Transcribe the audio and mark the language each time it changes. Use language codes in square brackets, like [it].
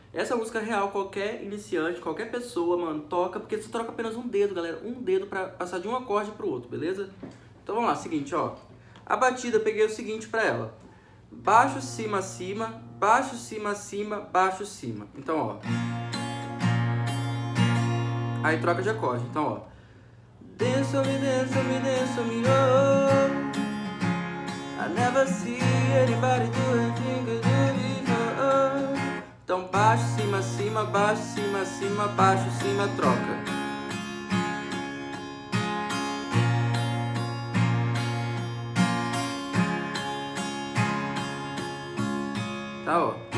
[pt] Essa música real, qualquer iniciante, qualquer pessoa, mano, toca, porque você troca apenas um dedo, galera, um dedo pra passar de um acorde pro outro, beleza? Então vamos lá, seguinte, ó. A batida, eu peguei o seguinte pra ela. Baixo, cima, cima, baixo, cima, cima, baixo, cima. Então, ó. Aí troca de acorde, então, ó. [en] Dance, me dance, me dance, me oh, oh. I never see anybody do anything good before. [pt] Então baixo, cima, cima, baixo, cima, cima, baixo, cima, troca. Tá, ó.